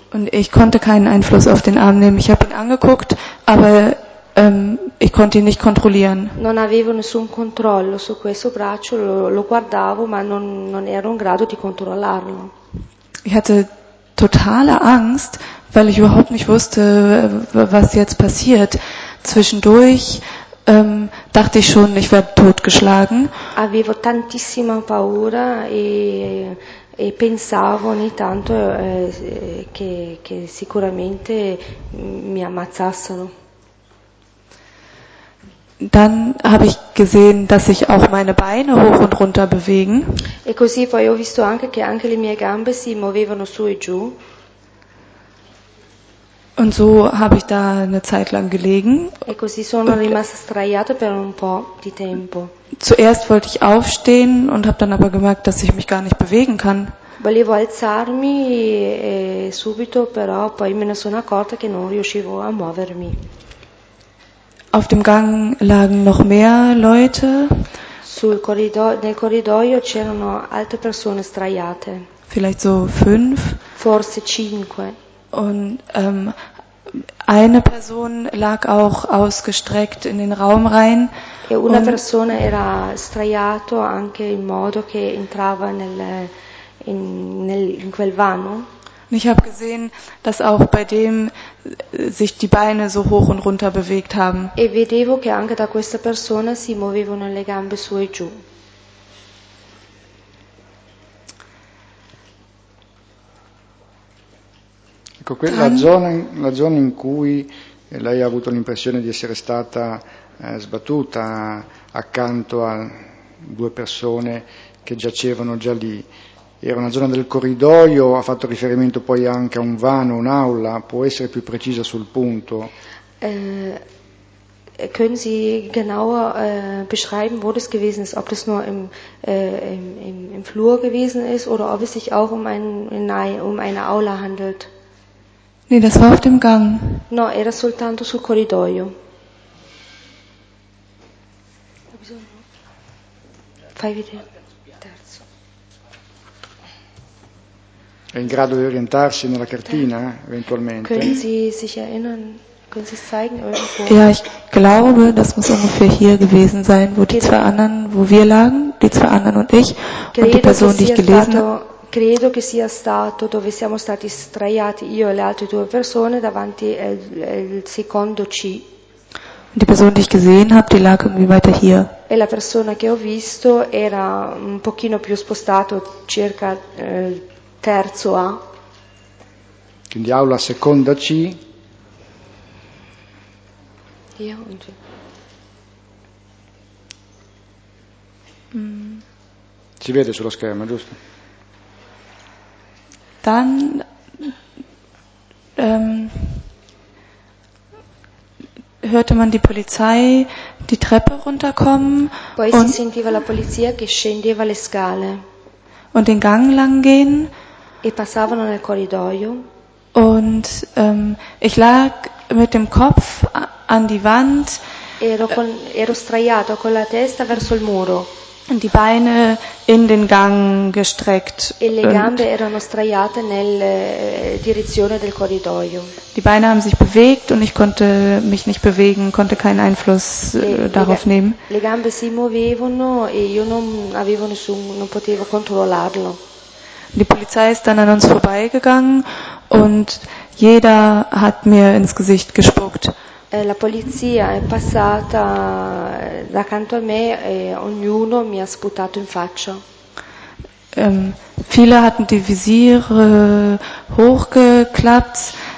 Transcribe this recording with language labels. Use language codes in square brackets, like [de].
[de] Und ich konnte keinen Einfluss auf den Arm nehmen. Ich habe ihn angeguckt, aber ich konnte ihn nicht kontrollieren. [it] Non avevo nessun controllo su questo braccio, lo guardavo, ma non ero in grado di controllarlo. [de] Ich hatte totale Angst, weil ich überhaupt nicht wusste, was jetzt passiert. Zwischendurch dachte ich schon, ich werde totgeschlagen. [it] Avevo tantissima paura e pensavo ogni tanto che sicuramente mi ammazzassero. [de] Dann habe ich gesehen, dass sich auch meine Beine hoch und runter bewegen. [it] E così poi ho visto anche che anche le mie gambe si muovevano su e giù. [de] Und so habe ich da eine Zeit lang gelegen. [it] E così sono rimasta sdraiata per un po' di tempo. [de] Zuerst wollte ich aufstehen und habe dann aber gemerkt, dass ich mich gar nicht bewegen kann. [it] Volevo alzarmi subito, però poi me ne sono accorta che non riuscivo a muovermi. [de] Auf dem Gang lagen noch mehr Leute. [it] Nel corridoio c'erano altre persone sdraiate. [de] Vielleicht so fünf. [it] Forse cinque. [de] Und eine Person lag auch ausgestreckt in den Raum rein. [it] E una persona era sdraiato anche in modo che entrava in quel vano. [de] Ich habe gesehen, dass auch bei dem sich die Beine so hoch und runter bewegt haben. [it] E vedevo che anche da questa persona si muovevano le gambe su e giù. Ecco, quella la zona in cui lei ha avuto l'impressione di essere stata sbattuta accanto a due persone che giacevano già lì. Era una zona del corridoio, ha fatto riferimento poi anche a un vano, un'aula, può essere più precisa sul punto? [de] Können Sie genauer beschreiben, wo das gewesen ist, ob das nur im Flur gewesen ist oder ob es sich auch um eine Aula handelt? Nee, das war auf dem Gang. [it] No, era soltanto sul corridoio. Fai vedere. È in grado di orientarsi nella cartina, eventualmente. [de] Können Sie sich erinnern? Können Sie es zeigen irgendwo? Ja, ich glaube, das muss ungefähr hier gewesen sein, wo die zwei anderen, wo wir lagen, die zwei anderen und ich, [it] credo [de] und die Person, die ich gelesen habe. [it] Credo che sia stato dove siamo stati sdraiati io e le altre due persone davanti al secondo C. [de] Und die Person, die ich gesehen habe, die lag irgendwie weiter hier. [it] E la persona che ho visto era un pochino più spostato, circa terzo A. Quindi aula seconda C. Io un C. Si vede sullo schermo, giusto? [de] Dann hörte man die Polizei die Treppe runterkommen. [it] Poi si sentiva la polizia che scendeva le scale. [de] Und den Gang lang gehen. [it] E passavano nel corridoio. [de] Und ich lag mit dem Kopf an die Wand. [it] Ero sdraiato con la testa verso il muro. [de] Und die Beine in den Gang gestreckt. [it] E le gambe erano sdraiate nella direzione del corridoio. [de] Die Beine haben sich bewegt und ich konnte mich nicht bewegen, konnte keinen Einfluss darauf nehmen. [it] Le gambe si muovevano e io non potevo controllarlo. [de] Die Polizei ist dann an uns vorbeigegangen und jeder hat mir ins Gesicht gespuckt. [it] La polizia è passata accanto a me e ognuno mi ha sputato in faccia. [de] Viele hatten die Visiere hochgeklappt